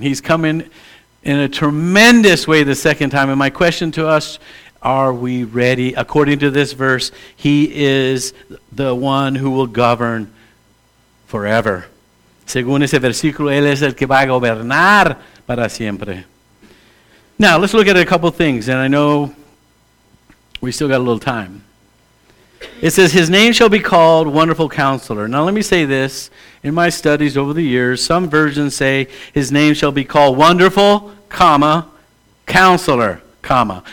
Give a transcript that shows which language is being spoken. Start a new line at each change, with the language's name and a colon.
English: He's coming in a tremendous way the second time. And my question to us, are we ready? According to this verse, he is the one who will govern forever.
Spanish: Según ese versículo, él es el que va a gobernar para siempre.
English: Now, let's look at a couple things, and I know we still got a little time. It says, his name shall be called Wonderful Counselor. Now, let me say this. In my studies over the years, some versions say his name shall be called Wonderful, comma, Counselor. Comma.